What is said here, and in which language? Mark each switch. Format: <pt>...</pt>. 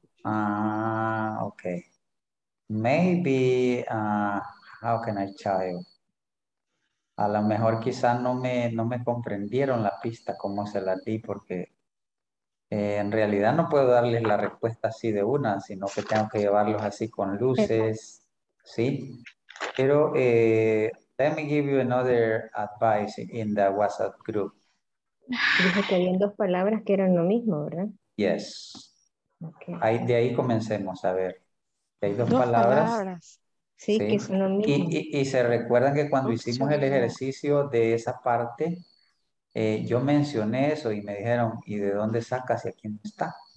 <en>Ah, ok. Maybe, how can I tell you?</en> <es>A lo mejor quizás no me comprendieron la pista, cómo se la di, porque en realidad no puedo darles la respuesta así de una, sino que tengo que llevarlos así con luces, ¿sí? Pero</es> <en>let me give you another advice in the WhatsApp group.</en> <es>Dijo que había dos palabras que eran lo mismo, ¿verdad?</es> <en>Yes. Okay.</en> <es>Ahí, de ahí comencemos, a ver. Hay dos palabras. Sí, que son lo mismo. Y se recuerdan que cuando hicimos el ejercicio de esa parte, yo mencioné eso y me dijeron, ¿y de dónde sacas si aquí no está?</es>